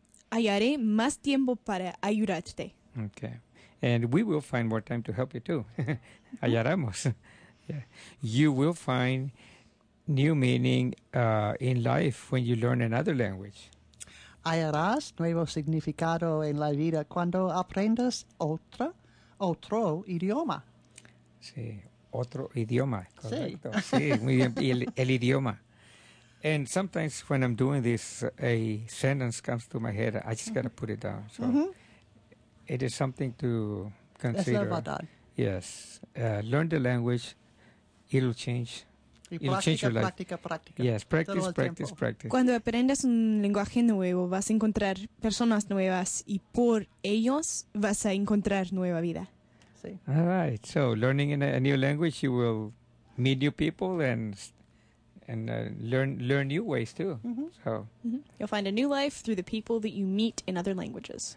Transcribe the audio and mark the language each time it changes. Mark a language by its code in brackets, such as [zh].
[es] Hallaré más tiempo para ayudarte. [en] Okay. And we will find more time to help you too. Hallaremos. Yeah. You will find new meaning in life when you learn another language. [es] Hallarás nuevo significado en la vida cuando aprendas otro idioma. Sí, otro idioma. Correcto. Sí. Sí, muy bien. El idioma. [en] And sometimes when I'm doing this, a sentence comes to my head. I just mm-hmm. got to put it down. So mm-hmm. it is something to consider. That's about that. Yes. Learn the language. It'll change. It'll change your life. [es] Practica, practica. [en] Yes, practice, practice, practice. [es] Cuando aprendas un lenguaje nuevo, vas a encontrar personas nuevas y por ellos vas a encontrar nueva vida. Sí. [en] All right. So learning in a new language, you will meet new people and learn new ways too. Mm-hmm. So mm-hmm. you'll find a new life through the people that you meet in other languages.